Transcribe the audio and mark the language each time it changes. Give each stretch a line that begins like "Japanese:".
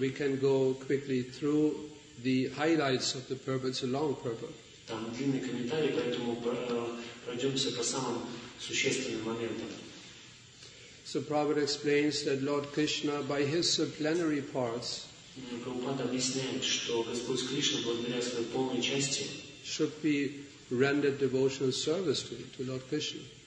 English: We can go quickly through the highlights of the purport. It's a long purport.
Russian: Там длинный комментарий, поэтому пройдемся по самым существенным моментам.
English: So Prabhupada explains that Lord Krishna, by his plenary parts, should be rendered devotional service to Lord Krishna.